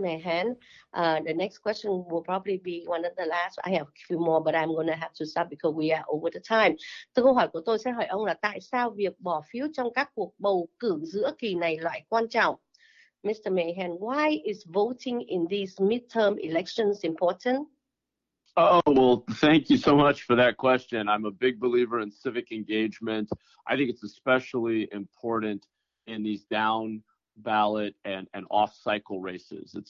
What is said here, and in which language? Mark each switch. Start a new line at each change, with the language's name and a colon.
English: Mahan, the next question will probably be one of the last. I have a few more, but I'm going to have to stop because we are over the time.
Vietnamese: Câu hỏi của tôi sẽ hỏi ông là tại sao việc bỏ phiếu trong các cuộc bầu cử giữa kỳ này lại quan trọng?
English: Mr. Mahan, why is voting in these midterm elections important? Oh, well, thank you so much for that question. I'm a big believer in civic engagement. I think it's especially important in these down ballot and off cycle races.